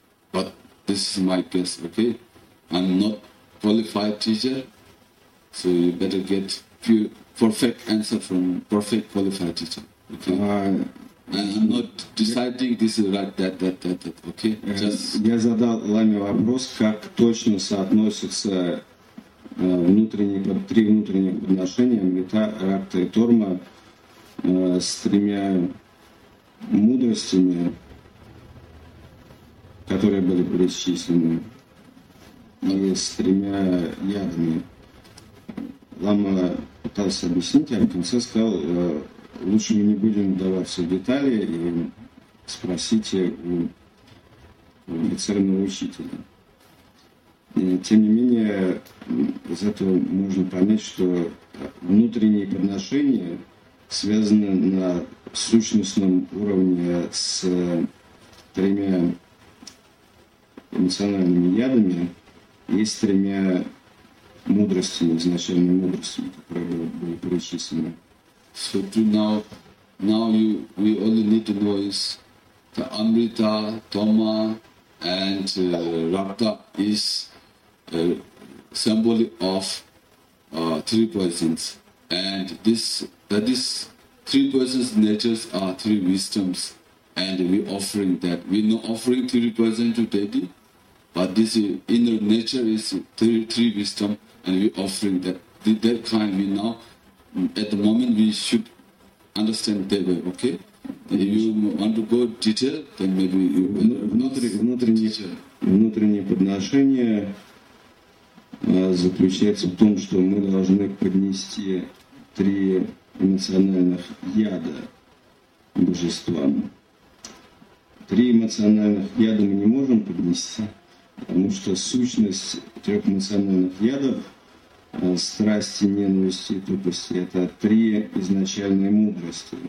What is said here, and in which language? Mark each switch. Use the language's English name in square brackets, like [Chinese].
[English] But this is my guess, okay? I'm not qualified teacher, so you better get perfect answer from perfect qualified teacher, okay? I'm not deciding this is right, that, okay? [Russian] Я задал Ламе вопрос, как точно соотносятся три внутренних отношения мета, ракта и торма с тремя мудростями, которые были перечислены, и с тремя ядами. Лама пытался объяснить, а в конце сказал, лучше мы не будем вдаваться в детали и спросите у офицерного учителя. И, тем не менее, из этого можно понять, что внутренние подношения связаны на сущностном уровне с тремя эмоциональными ядами и с тремя мудростями, изначальными мудростями, которые были перечислены. [English] So to now we only need to know is the Amrita, Toma and Rakta is a symbol of 3 poisons. And this 3 poisons natures are 3 wisdoms. And we offering that. We're not offering 3 poisons to Deity. But this inner nature is 3 wisdom, and we offering that kind. We now, at the moment, we should understand that way. Okay? If you want to go detail, then maybe you. [Russian] Внутреннее подношение заключается в том, что мы должны поднести 3 эмоциональных яда божествам. 3 эмоциональных яда мы не можем поднести. Потому что сущность 3 эмоциональных ядов, страсти, ненависти и тупости, это 3 изначальные мудрости.